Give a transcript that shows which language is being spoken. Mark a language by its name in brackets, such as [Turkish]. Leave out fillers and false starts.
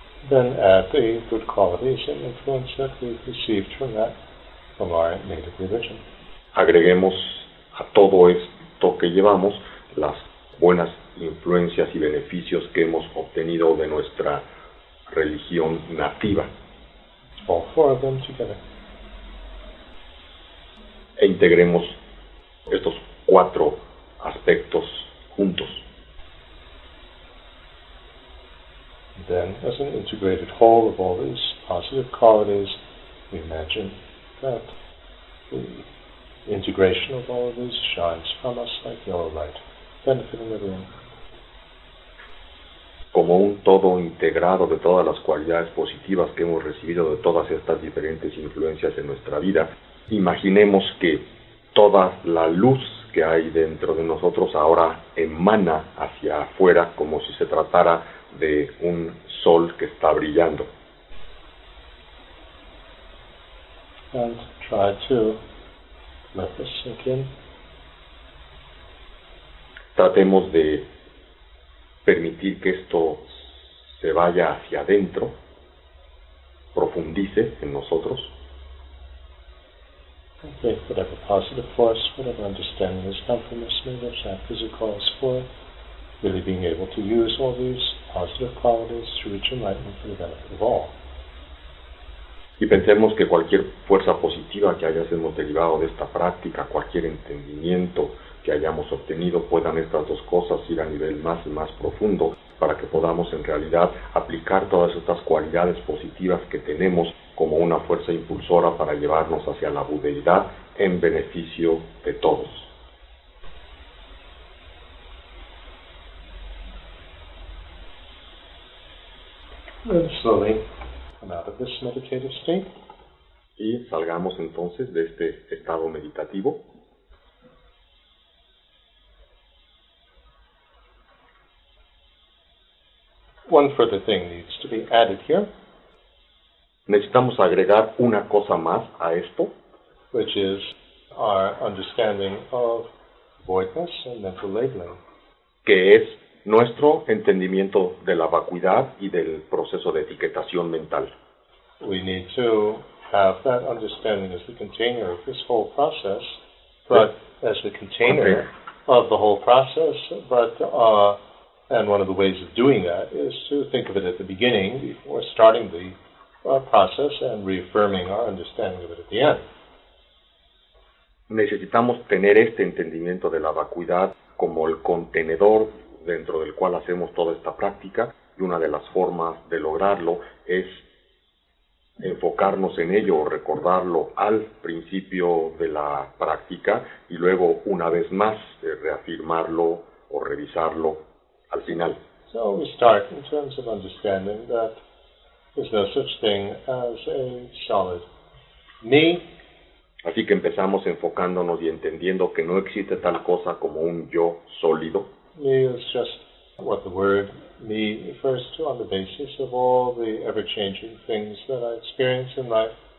[English] than at the good qualities and influence that we've received from that, from our native religion. [Spanish] Agreguemos a todo esto que llevamos las buenas influencias y beneficios que hemos obtenido de nuestra religión nativa. [English] All four of them together. [Spanish] E integremos estos cuatro aspectos juntos. [English] Then, as an integrated whole of all these positive qualities, we imagine that the integration of all of these shines from us like yellow light, benefiting everyone. [Spanish] Como un todo integrado de todas las cualidades positivas que hemos recibido de todas estas diferentes influencias en nuestra vida, imaginemos que toda la luz que hay dentro de nosotros ahora emana hacia afuera como si se tratara de un sol que está brillando. [English] And try to let this sink in. [Spanish] Tratemos de permitir que esto se vaya hacia adentro, profundice en nosotros. [English] Okay, whatever positive force, whatever understanding has come from this, may which our physical is for, really being able to use all these positive qualities to reach enlightenment for the benefit of all. [Spanish] Y pensemos que cualquier fuerza positiva que hayamos derivado de esta práctica, cualquier entendimiento que hayamos obtenido, puedan estas dos cosas ir a nivel más y más profundo para que podamos en realidad aplicar todas estas cualidades positivas que tenemos como una fuerza impulsora para llevarnos hacia la budeidad en beneficio de todos. [English] And slowly come out of this meditative state. [Spanish] Y salgamos entonces de este estado meditativo. [English] One further thing needs to be added here. [Spanish] Necesitamos agregar una cosa más a esto, [English] which is our understanding of voidness and mental labeling, [Spanish] que es nuestro entendimiento de la vacuidad y del proceso de etiquetación mental. [English] We need to have that understanding as the container of this whole process, but as the container of the whole process, but and one of the ways of doing that is to think of it at the beginning before starting the process and reaffirming our understanding of it at the end. [Spanish] Necesitamos tener este entendimiento de la vacuidad como el contenedor dentro del cual hacemos toda esta práctica, y una de las formas de lograrlo es enfocarnos en ello o recordarlo al principio de la práctica y luego una vez más reafirmarlo o revisarlo al final. [English] So we start in terms of understanding that there's no such thing as a solid me. [Spanish] Así que empezamos enfocándonos y entendiendo que no existe tal cosa como un yo sólido. [English] Me is just what the word me refers to on the basis of all the ever-changing things that I experience in life.